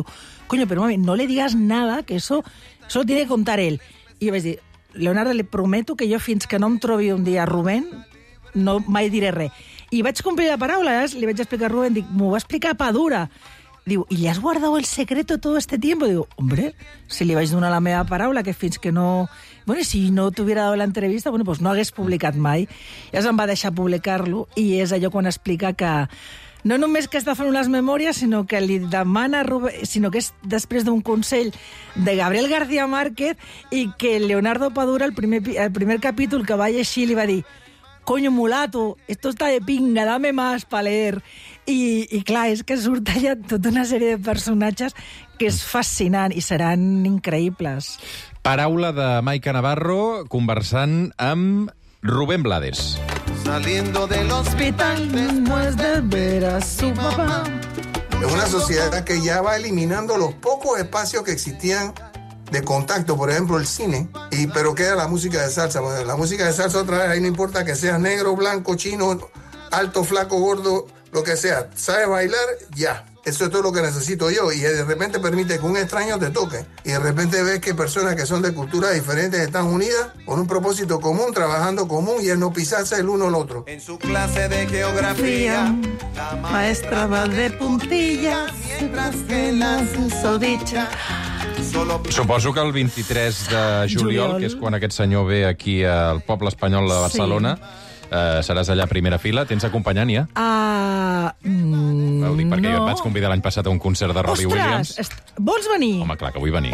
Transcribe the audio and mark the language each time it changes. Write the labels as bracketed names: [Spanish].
[Spanish] Digo, coño, pero mami, no le digas nada, que eso lo tiene que contar él. Y yo [Catalan] vaig dir, Leonardo, [Spanish] le prometo que yo, [Catalan] fins que no em trobi un dia Rubén, no mai diré res. I vaig complir la paraula, li vaig explicar a Rubén, dic, m'ho va explicar Padura. [Spanish] Diu, ¿y le has guardado el secreto todo este tiempo? Digo, hombre, [Catalan] si li vaig donar la meva paraula, que fins que no... [Spanish] Bueno, si no t'hubiera dado la entrevista, bueno, pues [Catalan] no hagués publicat mai. I es em va deixar publicar-lo, i és allò quan explica que no només que està fent unes memòries, sinó que li demana Rubén, sinó que és després d'un consell de Gabriel García Márquez, i que Leonardo Padura, el primer capítol que va llegir, li va dir, [Spanish] coño, mulato, esto está de pinga, dame más para leer. [Catalan] I clar, és que surt allà tota una sèrie de personatges que és fascinant i seran increïbles. Paraula de Maica Navarro conversant amb Rubén Blades. [Spanish] Saliendo de l'hospital después de ver a su papá. Es una sociedad que ya va eliminando los pocos espacios que existían de contacto, por ejemplo, el cine, pero queda la música de salsa. Bueno, la música de salsa, otra vez, ahí no importa que seas negro, blanco, chino, alto, flaco, gordo, lo que sea, sabes bailar, ya. Eso es todo lo que necesito yo. Y de repente permite que un extraño te toque. Y de repente ves que personas que son de culturas diferentes están unidas con un propósito común, trabajando común y el no pisarse el uno al otro. En su clase de geografía, la maestra va de puntillas mientras que la susodicha. [Catalan] Suposo que el 23 de juliol, que és quan aquest senyor ve aquí al poble espanyol de Barcelona, seràs allà a primera fila. Tens acompanyant, ja? No. Perquè jo et vaig convidar l'any passat a un concert de Robbie Williams. Vols venir? Home, clar que vull venir.